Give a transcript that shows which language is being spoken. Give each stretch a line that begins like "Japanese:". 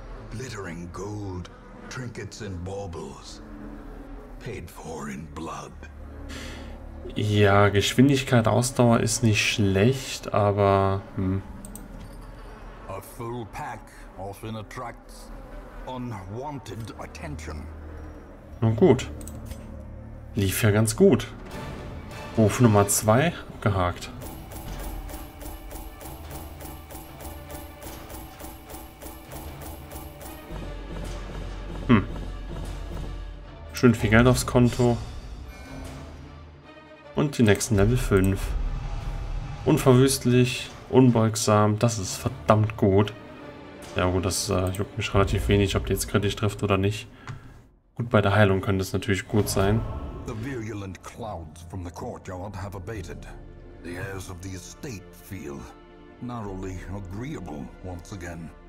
English: Glittering gold, trinkets and baubles. Paid for in blood.
German: Ja, Geschwindigkeit, Ausdauer ist nicht schlecht, aber.
English: A full pack often attracts unwanted attention.
German: Nun gut. Lief ja ganz gut. Ruf Nummer 2 gehakt. Hm. Schön viel Geld aufs Konto. Und die nächsten Level 5. Unverwüstlich, unbeugsam, das ist verdammt gut. Ja gut, das juckt mich relativ wenig, ob die jetzt kritisch trifft oder nicht. Gut, bei der Heilung könnte es natürlich gut sein.
English: The virulent clouds from the courtyard have abated. The airs of the estate feel narrowly agreeable once again.